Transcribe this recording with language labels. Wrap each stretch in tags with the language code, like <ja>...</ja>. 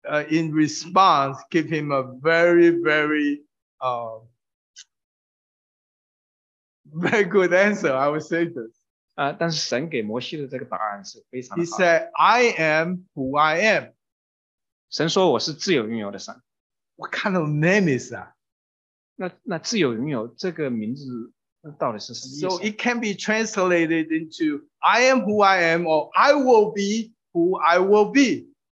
<en>In response, give him a very, very, very good answer, I would say this.</en> <zh>但是神给摩西的这个答案是非常好的。</zh> <en>He said, I am who I am.</en> <zh>神说我是自由拥有的神。</zh> <en>What kind of name is that?</en> <zh>那自由拥有这个名字到底是什么意思?</zh> <en>So it can be translated into I am who I am or I will be who I will be.</en>